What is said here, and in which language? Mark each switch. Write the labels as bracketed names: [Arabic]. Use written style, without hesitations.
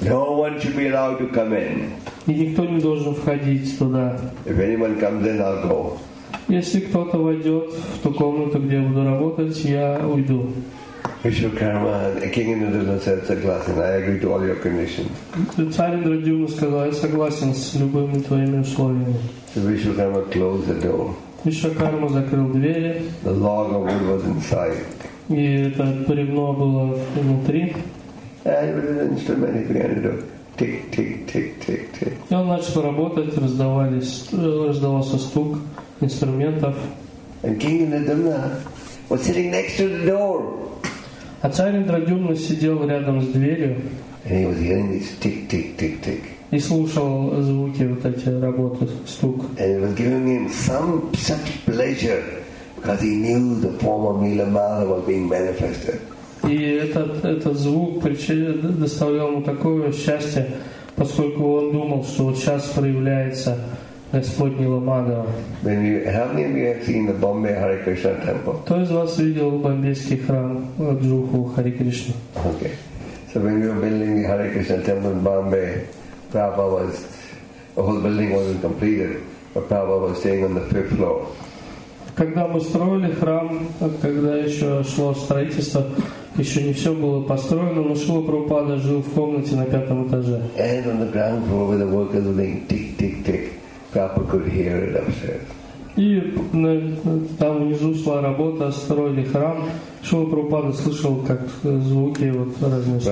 [English] No one should be allowed to come in. [Russian] И никто не должен входить туда. [English] If anyone comes in, I'll go. [Russian] Если кто-то войдет в ту комнату, где я буду работать, я уйду. [English] Vishwakarma, King Indradyumna said, [Russian] "Согласен, [English] I agree to all your conditions." [Russian] Царь Индрадюна сказал, я согласен с любыми твоими условиями. [English] So Vishwakarma closed the door. [Russian] Вишвакарма закрыл двери. [English] The log of wood was inside. [Russian] И это бревно было внутри. [English] And with his instrument he began to do tick, tick, tick, tick, tick. [Russian] И он начал работать, раздавался стук инструментов. [English] And King Indradyumna was sitting next to the door. [Russian] А царь Индрадюмна сидел рядом с дверью. [English] And he was hearing this tick, tick, tick, tick. [Russian] И слушал звуки вот эти работы, стук. [English] And it was giving him such pleasure because he knew the form of Nila Madhav was being manifested. [Russian] И этот звук доставлял ему такое счастье, поскольку он думал, что вот сейчас проявляется Господь Нила Мадхава. [English] How many of you have seen the Bombay Hare Krishna temple? [Russian] Кто из вас видел бомбейский храм Джуху Хари Кришна? [English] Okay. So when we were building the Hare Krishna temple in Bombay, Prabhupada was, the whole building wasn't completed, but Prabhupada was staying on the fifth floor. [Russian] Когда мы строили храм, когда еще шло строительство, еще не все было построено, но Шрила Прабхупада жил в комнате на пятом этаже. [English] And on the ground floor where the workers were doing tick, tick, tick, Prabhupada could hear it upstairs. [Russian] И там внизу шла работа, строили храм, Шрила Прабхупада слышал, как звуки вот разные стуки.